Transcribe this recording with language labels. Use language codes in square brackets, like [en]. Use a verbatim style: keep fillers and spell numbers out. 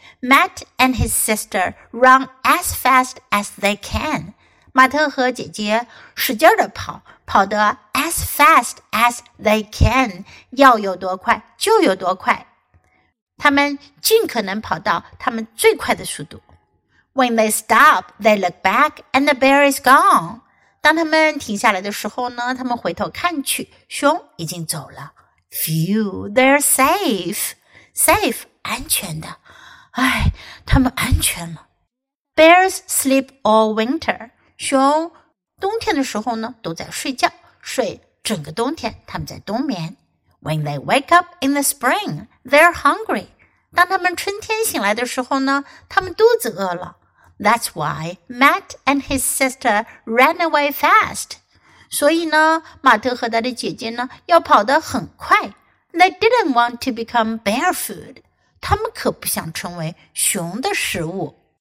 [en] Matt and his sister run as fast as they can [zh] 马特和姐姐使劲地跑跑得 [en] as fast as they can [zh] 要有多快就有多快他们尽可能跑到他们最快的速度。 [en] When they stop, they look back and the bear is gone. [zh] 当他们停下来的时候呢，他们回头看去，熊已经走了。 [en] Phew, they're safe. Safe, 安全的。 [zh] 哎，他们安全了。 [en] Bears sleep all winter. [zh] 熊冬天的时候呢，都在睡觉，睡整个冬天，他们在冬眠。 [en] When they wake up in the spring, they're hungry. [zh] 当他们春天醒来的时候呢，他们肚子饿了。 [en] That's why Matt and his sister ran away fast. [zh] 所以呢，马特和他的姐姐呢，要跑得很快。 [en] They didn't want to become bear food. [zh] 他们可不想成为熊的食物。